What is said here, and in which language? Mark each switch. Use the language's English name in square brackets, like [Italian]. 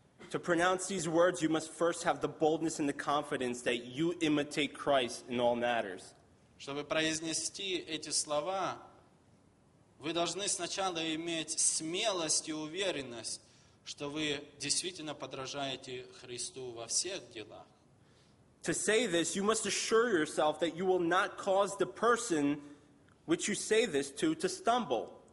[English] To pronounce these words, you must first have the boldness and the confidence that you imitate Christ in all matters. [Russian] Чтобы произнести эти слова, вы должны сначала иметь смелость и уверенность, что вы действительно подражаете Христу во всех делах. [English] To say this, you must assure yourself that you will not cause the person which you say this to stumble.